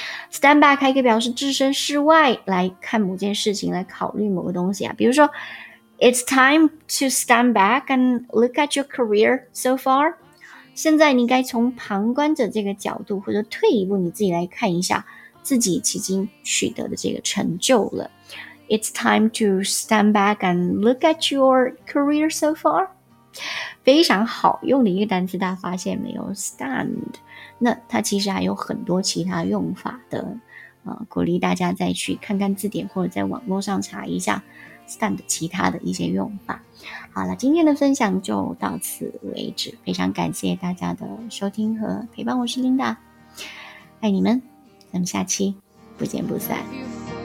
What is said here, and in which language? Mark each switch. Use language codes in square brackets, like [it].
[zh] Stand back 还可以表示置身事外来看某件事情，来考虑某个东西啊。 [en] 比如说 ，It's time to stand back and look at your career so far。 [zh] 现在你该从旁观者这个角度，或者退一步，你自己来看一下自己迄今取得的这个成就了。 [en] It's time to stand back and look at your career so far。 [zh] 非常好用的一个单词，大家发现没有 ？Stand。那它其实还有很多其他用法的，鼓励大家再去看看字典，或者在网络上查一下 stand 其他的一些用法。好了，今天的分享就到此为止，非常感谢大家的收听和陪伴，我是 Linda， 爱你们，咱们下期不见不散。